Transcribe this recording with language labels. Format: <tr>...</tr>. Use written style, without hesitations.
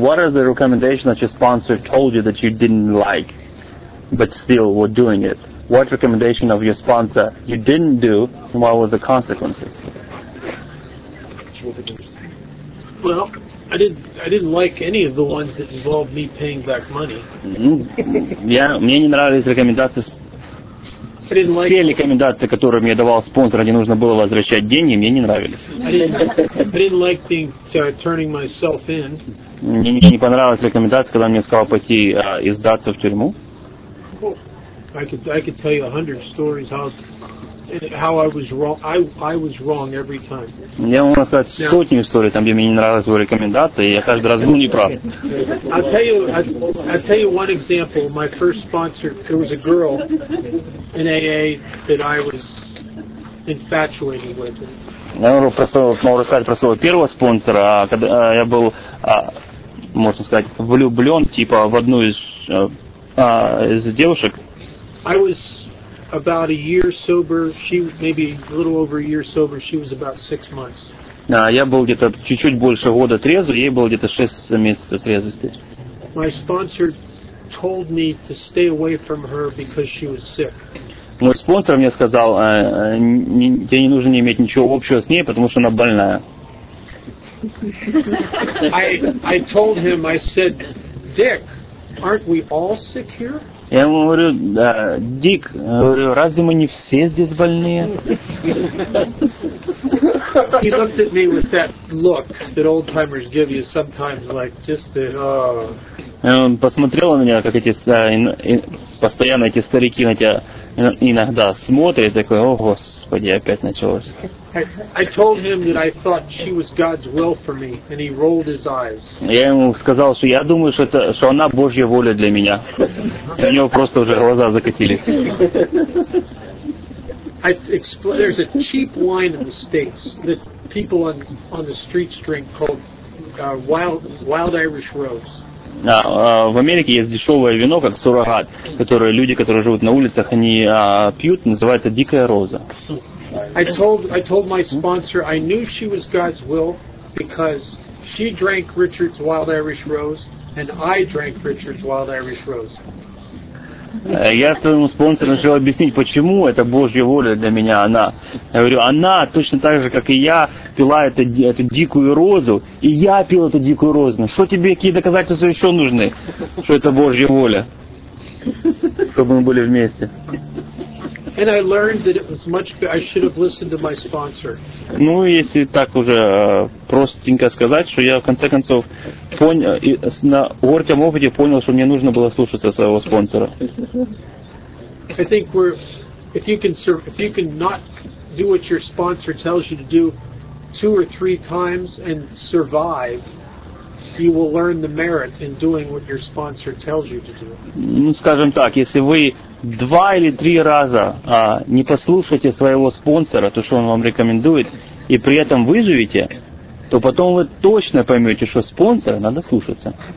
<en>What are the recommendations that your sponsor told you that you didn't like, but still were doing it? What recommendation of your sponsor you didn't do, and what were the consequences? Well, I didn't like any of the ones that involved me paying back money.</en> <ru>Мне не нравились рекомендации. Все рекомендации, которые мне давал спонсор, они нужно было возвращать деньги, мне не нравились. Мне не понравилась рекомендация, когда мне сказал пойти сдаться в тюрьму.</ru> <en>I could tell you 100 stories how I was wrong every time.</en> <ru>Я могу рассказать сотни историй, там где мне не нравилась его рекомендация, и я каждый раз был неправ.</ru> <en>I'll tell you one example. My first sponsor, there was a girl in AA that I was infatuated with.</en> <ru>Я могу рассказать про своего первого спонсора, когда я был, можно сказать, влюблен типа в одну из девушек.</ru> <en>I was about a year sober. She maybe a little over a year sober. She was about 6 months.</en> <ru>Я был где-то чуть-чуть больше года трезвый. Ей было где-то 6 месяцев трезвости.</ru> <en>My sponsor told me to stay away from her because she was sick.</en> <ru>Мой спонсор мне сказал, тебе не нужно иметь ничего общего с ней, потому что она больная.</ru> <en>I told him. I said, Dick, aren't we all sick here?</en> <ru>Я ему говорю, да, Дик, говорю, разве мы не все здесь больные?</ru> <en>He looked at me with that look that old timers give you sometimes, like just the.</en> <ru>Он посмотрел на меня, как эти постоянно эти старики на тебя иногда смотрят, такой, о господи, опять началось.</ru> <en>I told him that I thought she was God's will for me, and he rolled his eyes.</en> <ru>Я ему сказал, что я думаю, что это, что она Божья воля для меня. И у него просто уже глаза закатились.</ru> <en>There's a cheap wine in the States that people on the streets drink called Wild Irish Rose.</en> <ru>В Америке есть дешевое вино, как суррогат, которое люди, которые живут на улицах, они пьют, называется «Дикая роза».</ru> <en>I told my sponsor, I knew she was God's will, because she drank Richard's Wild Irish Rose, and I drank Richard's Wild Irish Rose.</en> <ru>Я своему спонсору начал объяснить, почему это Божья воля для меня, она. Я говорю, она точно так же, как и я, пила эту дикую розу, и я пил эту дикую розу. Ну, что тебе, какие доказательства еще нужны, что это Божья воля, чтобы мы были вместе?</ru> <en>And I learned that it was much better. I should have listened to my sponsor.</en> <ru>Ну, если так уже простенько сказать, что я в конце концов понял на горьком опыте понял, что мне нужно было слушаться своего спонсора.</ru> <en>I think if you can not do what your sponsor tells you to do 2 or 3 times and survive, you will learn the merit in doing what your sponsor tells you to do.</en> <ru>Ну, скажем так, если вы 2 или 3 раза не послушайте своего спонсора, то, что он вам рекомендует, и при этом выживете, то потом вы точно поймете, что спонсора надо слушаться.</ru>